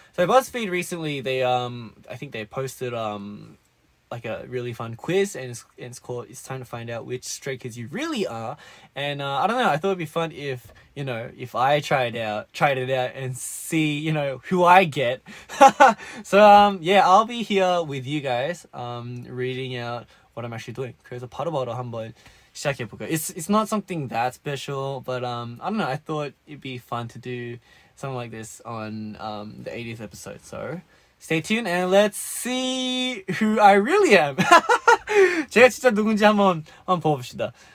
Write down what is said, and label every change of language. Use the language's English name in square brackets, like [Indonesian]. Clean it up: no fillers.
[English] So BuzzFeed recently they I think they posted like a really fun quiz and it's called It's Time to Find Out Which Stray Kids You Really Are. And I don't know, I thought it'd be fun if, you know, if I tried it out and see, you know, who I get. So yeah, I'll be here with you guys reading out what I'm actually doing. [Korean] 그래서 바로 한번 시작해볼까. [English] It's not something that special, but I don't know, I thought it'd be fun to do something like this on the 80th episode, so stay tuned and let's see who I really am. [Korean] 제가 진짜 누군지 한번 봅시다.